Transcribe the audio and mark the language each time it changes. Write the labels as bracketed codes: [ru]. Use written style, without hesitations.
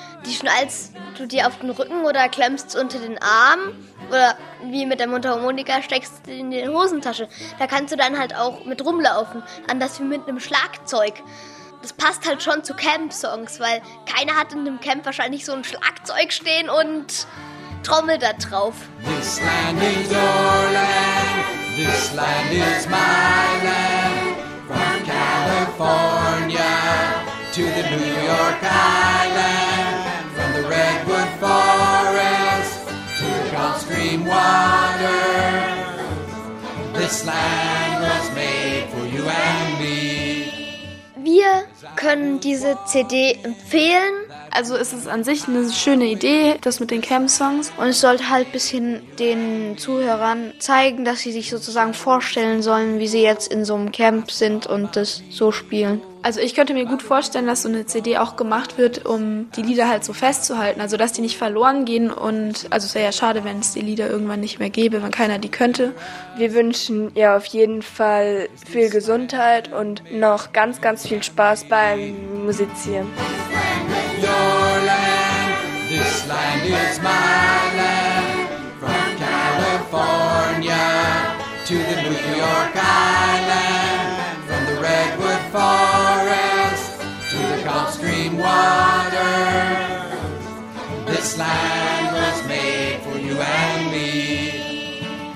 [de] Die schnallst du dir auf den Rücken oder klemmst unter den Arm oder wie mit der Mundharmonika steckst du in die Hosentasche. Da kannst du dann halt auch mit rumlaufen, anders wie mit einem Schlagzeug. Das passt halt schon zu Camp-Songs, weil keiner hat in einem Camp wahrscheinlich so ein Schlagzeug stehen und Trommel da drauf. [en] This land is your land, this land is my land, from California to the New York Island, from the Redwood Forest to the Gulf Stream water, this land was made for you and me. [de] Wir können diese CD empfehlen. Also es ist an sich eine schöne Idee, das mit den Camp-Songs. Und es sollte halt ein bisschen den Zuhörern zeigen, dass sie sich sozusagen vorstellen sollen, wie sie jetzt in so einem Camp sind und das so spielen. Also ich könnte mir gut vorstellen, dass so eine CD auch gemacht wird, um die Lieder halt so festzuhalten, also dass die nicht verloren gehen. Und also es wäre ja schade, wenn es die Lieder irgendwann nicht mehr gäbe, wenn keiner die könnte. Wir wünschen ihr auf jeden Fall viel Gesundheit und noch ganz, ganz viel Spaß beim Musizieren. [en] Your land, this land is my land, from California to the New York Island, from the Redwood Forest to the Gulf Stream water, this land was made for you and me.